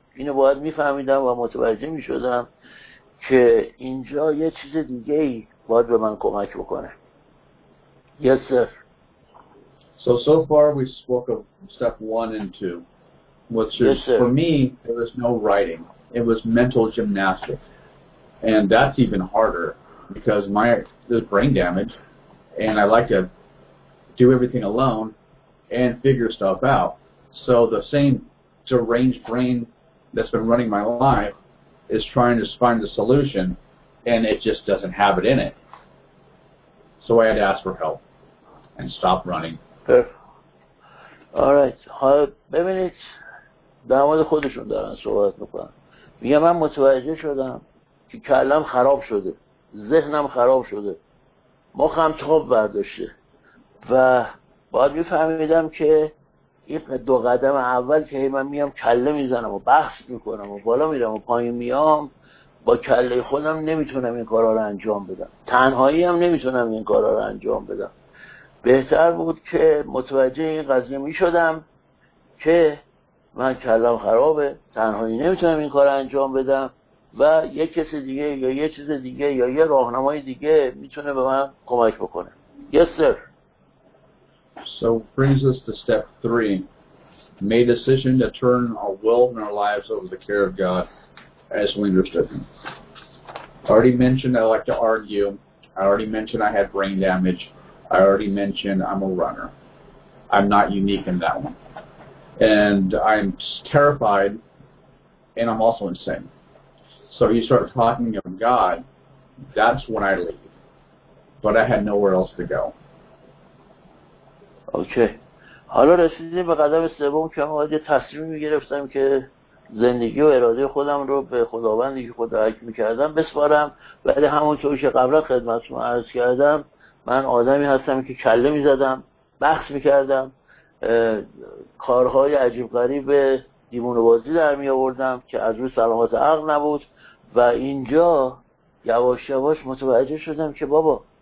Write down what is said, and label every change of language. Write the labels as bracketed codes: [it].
[fa] اینو باید میفهمیدم و متوجه میشدم که اینجا یه چیز دیگه باید به من کمک بکنه. [en] Yes, sir. So far we spoke of step 1 and 2, which is, yes, for me, there was no writing. It was mental gymnastics. And that's even harder because my there's brain damage, and I like to do everything alone and figure stuff out. So the same deranged brain that's been running my life is trying to find the solution, and it just doesn't have it in it. So I had to ask for help and stop running. [fa] Alright, حالا ببینید در مورد خودشون دارن صحبت میکنن. میگه من متوجه شدم که کلم خراب شده، ذهنم خراب شده، مخم تاب برداشته و باید میفهمیدم که این دو قدم اول که من میام کله میزنم و بحث میکنم و بالا میرم و پایین میام، با کله خودم نمیتونم این کارها رو انجام بدم، تنهایی هم نمیتونم این کارها رو انجام بدم. بهتر بود که متوجه این قضیه می شدم که من کلم خرابه، تنهایی نمیتونم این کار انجام بدم و یک کس دیگه یا یه چیز دیگه یا یه راهنمای دیگه میتونه به من کمک بکنه. [en] Yes, sir. So brings us to step three. Made decision to turn our will and our lives over the care of God as we understood him. Already mentioned I like to argue. I already mentioned I had brain damage. I already mentioned I'm a runner. I'm not unique in that one. And I'm terrified, and I'm also insane. So you start talking of God, that's when I leave. But I had nowhere else to go. Okay. [fa] حالا رسیدیم به قدم سوم که من باید یه تصمیم میگرفتم که زندگی و اراده خودم رو به خداوندی که خود درک میکردم بسپارم. ولی همونطور که قبلا خدمتتون عرض کردم، من آدمی هستم که کله می‌زدم، بحث می‌کردم، کارهای عجیب غریب دیوونه بازی در می‌آوردم که از روی سلامت عقل نبود و اینجا یواش یواش متوجه شدم که بابا